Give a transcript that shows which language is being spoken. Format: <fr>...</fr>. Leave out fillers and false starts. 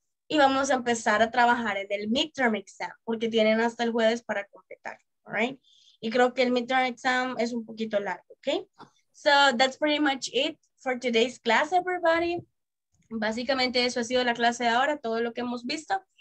<es>Y vamos a empezar a trabajar en el midterm exam, porque tienen hasta el jueves para completar. All right. Y creo que el midterm exam es un poquito largo, okay?</es> <en>So that's pretty much it for today's class, everybody.</en> <es>Básicamente eso ha sido la clase de ahora, todo lo que hemos visto.</es>